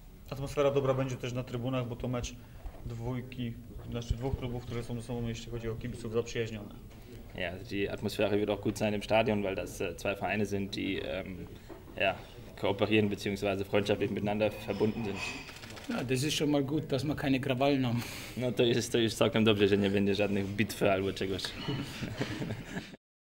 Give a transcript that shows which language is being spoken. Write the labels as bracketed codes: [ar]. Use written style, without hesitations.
[pl] Atmosfera dobra będzie też na trybunach, bo to mecz dwójki, znaczy dwóch klubów, które są ze sobą, jeśli chodzi o kibiców, zaprzyjaźnione. [de] Ja, die Atmosphäre wird auch gut sein im Stadion, weil das zwei Vereine sind, die ja, kooperieren bzw. freundschaftlich miteinander verbunden sind. Ja, das ist schon mal gut, dass man keine Krawallen haben. [pl] No, to jest całkiem dobrze, że nie będzie żadnych bitw albo czegoś.